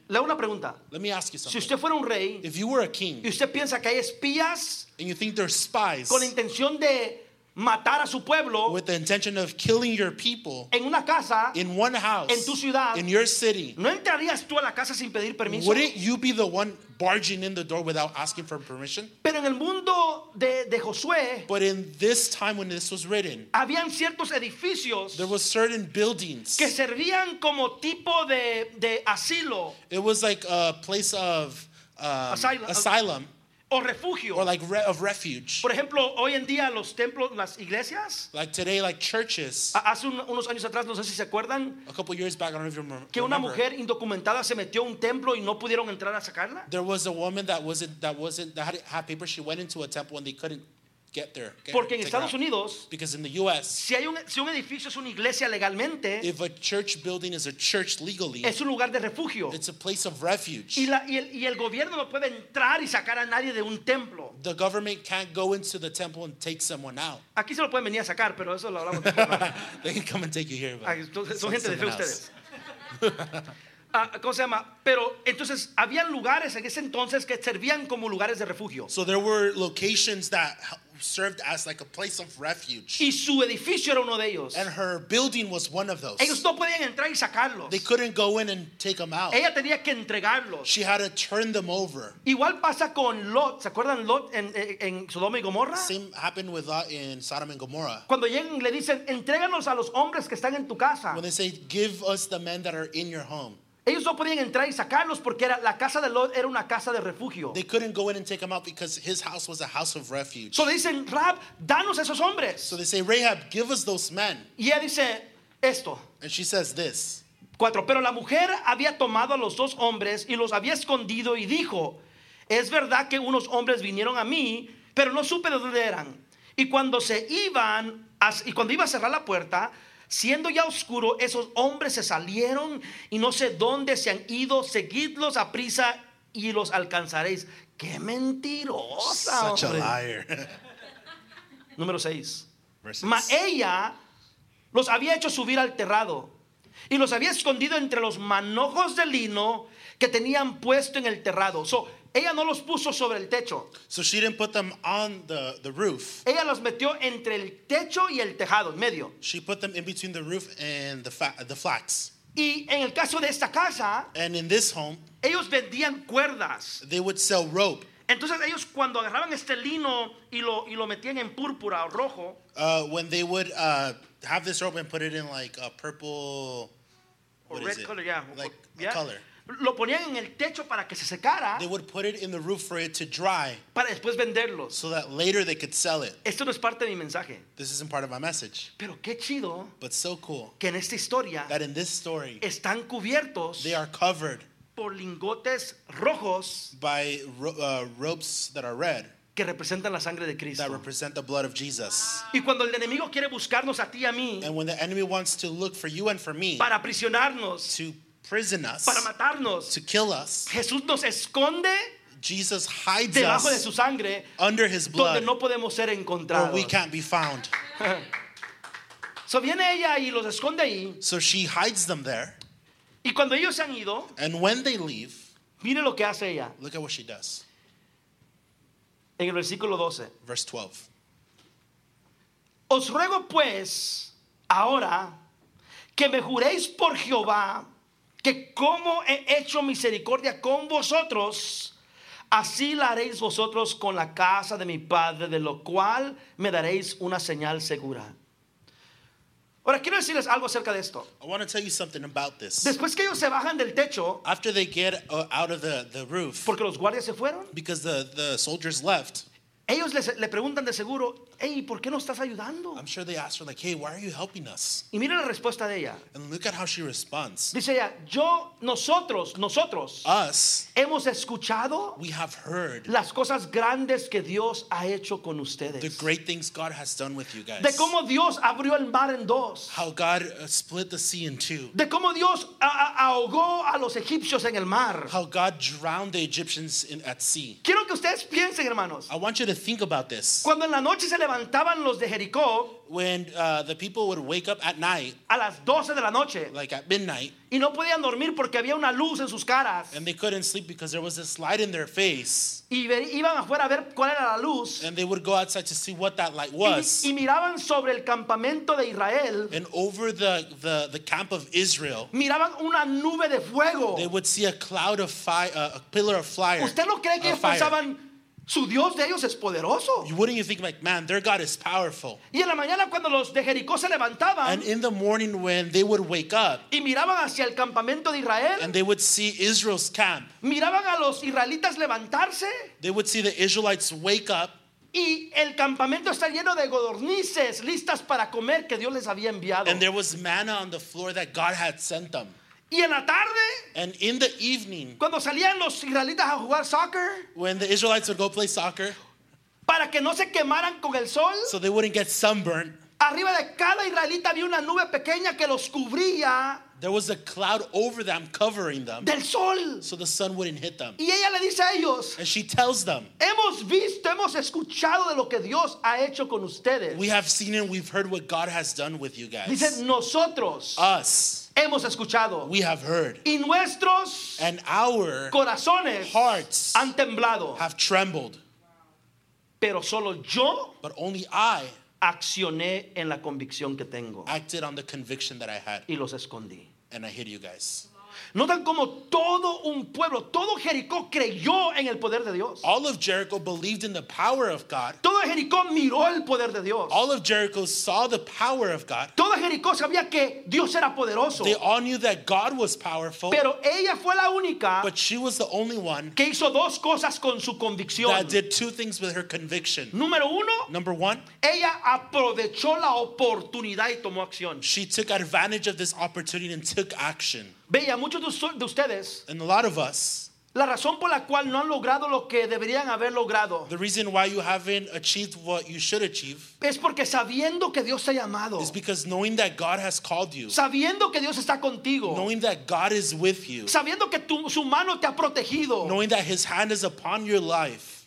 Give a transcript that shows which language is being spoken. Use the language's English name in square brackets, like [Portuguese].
[Spanish] Le hago una pregunta. [English] Let me ask you something. [Spanish] Si usted fuera un rey, [English] if you were a king, [Spanish] y usted piensa que hay espías, [English] and you think they're spies, [Spanish] con la intención de matar a su pueblo, [English] with the intention of killing your people, [Spanish] en una casa, [English] in one house, [Spanish] en tu ciudad, [English] in your city, [Spanish] ¿no entrarías tú a la casa sin pedir permiso? [English] Wouldn't you be the one barging in the door without asking for permission? [Spanish] Pero en el mundo de Josué, [English] but in this time when this was written, [Spanish] habían ciertos edificios, [English] there were certain buildings [Spanish] que servían como tipo de asilo. [English] It was like a place of [Spanish] asylum. O refugio. [English] Or like of refuge. [Spanish] Por ejemplo, hoy en día los templos, las iglesias. [English] Like today, like churches. [Spanish] Hace unos años atrás, no sé si se acuerdan. [English] A couple years back, I don't know if you remember. [Spanish] Que una mujer indocumentada se metió a un templo y no pudieron entrar a sacarla. [English] There was a woman that had papers. She went into a temple and they couldn't get there. [Spanish] Porque en Estados Unidos. [English] Because in the U.S. [Spanish] Si un edificio es una iglesia legalmente. [English] If a church building is a church legally. [Spanish] Es un lugar de refugio. [English] It's a place of refuge. [Spanish] Y el gobierno no puede entrar y sacar a nadie de un templo. [English] The government can't go into the temple and take someone out. [Spanish] Aquí se lo pueden venir a sacar, pero eso lo hablamos. [English] They can come and take you here, but. [Spanish] Son gente de fe ustedes. ¿Cómo se llama? Pero entonces habían lugares en ese entonces que servían como lugares de refugio. [English] So there were locations that served as like a place of refuge. [Spanish] Y su edificio era uno de ellos. [English] And her building was one of those. [Spanish] Ellos no podían entrar y sacarlos. [English] They couldn't go in and take them out. [Spanish] Ella tenía que entregarlos. [English] She had to turn them over. [Spanish] Igual pasa con Lot. ¿Se acuerdan Lot en Sodoma y Gomorra? [English] Same happened with Lot in Sodom and Gomorrah. [Spanish] Cuando llegan le dicen, entréganos a los hombres que están en tu casa. [English] When they say, give us the men that are in your home. [Spanish] Ellos no podían entrar y sacarlos porque era la casa de Lot era una casa de refugio. [English] They couldn't go in and take him out because his house was a house of refuge. So they say, [Spanish] Rab, danos esos hombres. [English] So they say, Rahab, give us those men. [Spanish] Y ella dice esto. [English] And she says this. [Spanish] Cuatro. Pero la mujer había tomado a los dos hombres y los había escondido y dijo, es verdad que unos hombres vinieron a mí, pero no supe de dónde eran. Y cuando iba a cerrar la puerta, siendo ya oscuro, esos hombres se salieron y no sé dónde se han ido. Seguidlos a prisa y los alcanzaréis. ¡Qué mentirosa! [English] Such [Spanish] hombre. [English] A liar. [Spanish] Número 6. [English] Versus. [Spanish] Mas ella los había hecho subir al terrado y los había escondido entre los manojos de lino que tenían puesto en el terrado. So, ella no los puso sobre el techo. [English] So she didn't put them on the roof. [Spanish] Ella los metió entre el techo y el tejado, en medio. [English] She put them in between the roof and the flax. [Spanish] Y en el caso de esta casa, [English] and in this home, [Spanish] ellos vendían cuerdas. [English] They would sell rope. [Spanish] Entonces ellos cuando agarraban este lino y lo metían en púrpura o rojo, [English] when they would have this rope and put it in like a purple, is color, it? Yeah, like yeah. A color. [Spanish] Lo ponían en el techo para que se secara. [English] They would put it in the roof for it to dry. [Spanish] Para después venderlo. [English] So that later they could sell it. [Spanish] Esto no es parte de mi mensaje. [English] This isn't part of my message. [Spanish] Pero qué chido. [English] But so cool. [Spanish] Que en esta historia. [English] That in this story. [Spanish] Están cubiertos. [English] They are covered. [Spanish] Por lingotes rojos. [English] By ropes that are red. [Spanish] Que representan la sangre de Cristo. [English] That represent the blood of Jesus. [Spanish] Y cuando el enemigo quiere buscarnos a ti y a mí. [English] And when the enemy wants to look for you and for me. [Spanish] Para aprisionarnos. [English] To prison us, [Spanish] para matarnos, [English] to kill us. [Spanish] Jesús nos esconde, [English] Jesus hides [Spanish] debajo de su sangre, [English] under his blood, [Spanish] donde no podemos ser encontrados, [English] or we can't be found. [Spanish] So viene ella y los esconde ahí, [English] so she hides them there. [Spanish] Y cuando ellos se han ido, [English] and when they leave, [Spanish] mire lo que hace ella. [English] Look at what she does. [Spanish] En el versículo 12. [English] Verse 12. [Spanish] Os ruego pues ahora que me juréis por Jehová que como he hecho misericordia con vosotros, así la haréis vosotros con la casa de mi padre, de lo cual me daréis una señal segura. Ahora quiero decirles algo acerca de esto. [English] I want to tell you something about this. [Spanish] Después que ellos se bajan del techo, [English] after they get out of the roof, [Spanish] porque los guardias se fueron, [English] because the soldiers left, [Spanish] ellos le preguntan de seguro, hey, ¿por qué no estás ayudando? [English] I'm sure they asked her, like, hey, why are you helping us? [Spanish] Y mira la respuesta de ella. [English] And look at how she responds. [Spanish] Dice ella, yo, nosotros, [English] us, [Spanish] hemos escuchado, [English] we have heard, [Spanish] las cosas grandes que Dios ha hecho con ustedes. [English] The great things God has done with you guys. [Spanish] De cómo Dios abrió el mar en dos. [English] How God split the sea in two. [Spanish] De cómo Dios ahogó a los egipcios en el mar. [English] How God drowned the Egyptians at sea. [Spanish] Quiero que ustedes piensen, hermanos. [English] I want you to to think about this. [Spanish] Cuando en la noche se levantaban los de Jericó, [English] when the people would wake up at night, [Spanish] a las 12 de la noche, [English] like at midnight, [Spanish] y no podían dormir porque había una luz en sus caras, [English] and they couldn't sleep because there was this light in their face, [Spanish] y iban afuera a ver cuál era la luz, [English] and they would go outside to see what that light was, [Spanish] y miraban sobre el campamento de Israel, [English] and over the camp of Israel, [Spanish] miraban una nube de fuego, [English] they would see a cloud of fire, a pillar of fire. [Spanish] ¿Usted no cree que ellos pensaban su Dios de ellos es poderoso? [English] Wouldn't you think, like, man, their God is powerful? [Spanish] Y en la mañana cuando los de Jericó se levantaban, [English] and in the morning when they would wake up, [Spanish] y miraban hacia el campamento de Israel, [English] and they would see Israel's camp, [Spanish] miraban a los israelitas levantarse, [English] they would see the Israelites wake up, [Spanish] y el campamento está lleno de codornices listas para comer que Dios les había enviado, [English] and there was manna on the floor that God had sent them. [Spanish] Y en la tarde, [English] and in the evening, [Spanish] cuando salían los israelitas a jugar soccer, [English] when the Israelites would go play soccer, [Spanish] para que no se quemaran con el sol, [English] so they wouldn't get sunburned, [Spanish] arriba de cada israelita había una nube pequeña que los cubría, [English] there was a cloud over them covering them, [Spanish] del sol, [English] so the sun wouldn't hit them. [Spanish] Y ella le dice a ellos, [English] and she tells them, [Spanish] hemos visto, hemos escuchado de lo que Dios ha hecho con ustedes. [English] We have seen and we've heard what God has done with you guys. [Spanish] Dice, nosotros, [English] us, [Spanish] hemos escuchado. [English] We have heard. [Spanish] Y nuestros, [English] and our, [Spanish] corazones, [English] hearts, [Spanish] han temblado, [English] have trembled. [Spanish] Pero solo yo, [English] but only I, [Spanish] accioné en la convicción que tengo, [English] acted on the conviction that I had, [Spanish] y los escondí, [English] and I hid you guys. [Spanish] Notan como todo un pueblo, todo Jericó creyó en el poder de Dios. [English] All of Jericho believed in the power of God. [Spanish] Todo Jericó miró el poder de Dios. [English] All of Jericho saw the power of God. [Spanish] Todo Jericó sabía que Dios era poderoso. [English] They all knew that God was powerful. [Spanish] Pero ella fue la única, [English] but she was the only one, [Spanish] que hizo dos cosas con su convicción, [English] that did two things with her conviction. [Spanish] Número uno, [English] number one, [Spanish] ella aprovechó la oportunidad y tomó acción. [English] She took advantage of this opportunity and took action. [Spanish] Veía, muchos de ustedes, [English] and a lot of us, [Spanish] la razón por la cual no han logrado lo que deberían haber logrado, [English] the reason why you haven't achieved what you should achieve, [Spanish] es porque sabiendo que Dios te ha llamado, [English] is because knowing that God has called you, [Spanish] sabiendo que Dios está contigo, [English] knowing that God is with you, [Spanish] sabiendo que su mano te ha protegido, [English] knowing that his hand is upon your life,